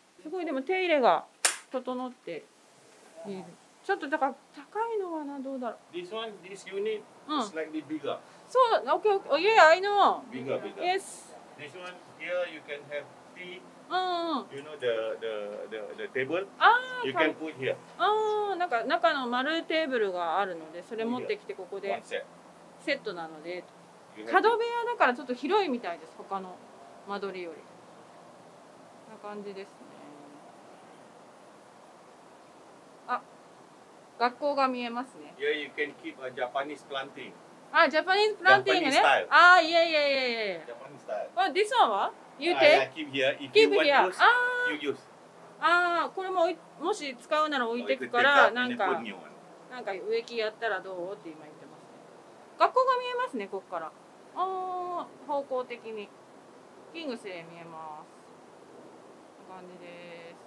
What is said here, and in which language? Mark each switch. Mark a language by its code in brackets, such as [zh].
[ja] すごい、でも手入れが整っている。ちょっとだから高いのはな、どうだろう。 [en] This one, this unit, slightly bigger. [ja] そう、 [en] OK, OK. Yeah, I know. Bigger. Yes. This one here you can have tea. Oh. You know the table? Ah, you can put here. [ja] Ah, なんか中の丸いテーブルがあるので、それ持ってきてここでセットなので、角部屋だからちょっと広いみたいです。他の間取りより。な感じですね。あ、学校が見えますね。 [en] Yeah, you can keep a Japanese planting. [ja] あ、ジャパニーズプランティングね。あ、いやいやいやいや。ジャパニーズスタイル。 [en] あ、This one [ja] は [en] You take? I keep here. If keep you want use, you use. [ja] あ、これも、もし使うなら置いてくから、なんか、なんか植木やったらどうって今言ってますね。学校が見えますね、ここから。あ、方向的に。キングスで見えます。こんな感じです。